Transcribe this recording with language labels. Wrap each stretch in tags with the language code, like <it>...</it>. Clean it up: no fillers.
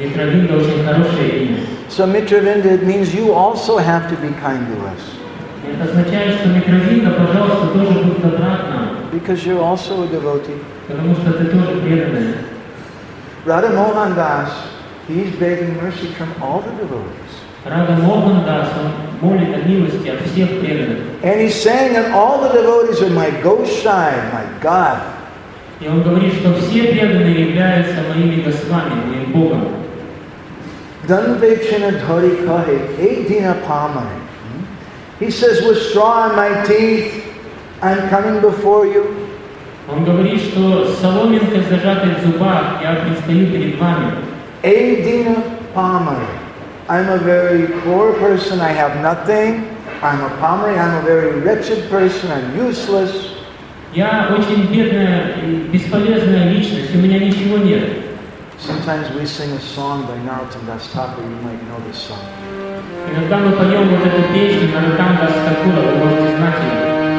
<ru>Митравинда очень хорошее имя.</ru> <en>So Митравинда, it means you also have to be kind to us.</en> <ru>Это означает, что Митравинда, пожалуйста, тоже будь добра к нам.</ru> <en>Because you're also a devotee.</en> <ru>Потому что ты тоже преданный.</ru> <en>Radha Mohan Das, he's begging mercy from all the devotees.</en> <ru>Radha Mohan Das, он молит о милости от всех преданных.</ru> <en>And he's saying that all the devotees are my Goshai, my God.</en> <ru>И он говорит, что все преданные являются моими Госвами, моим Богом.</ru> <bn>Данве чина дхари кахе, эй дина памай.</bn> <en>He says, with straw in my teeth, I'm coming before you.</en> <ru>Он говорит, что соломинка зажатая в зубах, я предстаю перед вами.</ru> <bn>Adina Pamari.</bn> <en>I'm a very poor person, I have nothing. I'm a Pamari, I'm a very wretched person, I'm useless.</en> <ru>Я очень бедная, бесполезная личность, у меня ничего нет.</ru> <en>Sometimes we sing a song by Narottam Das Thakur, you might know this song.</en> <ru>Иногда мы поем вот эту песню Нарутам Дас Такура, вы можете знать ее.</ru>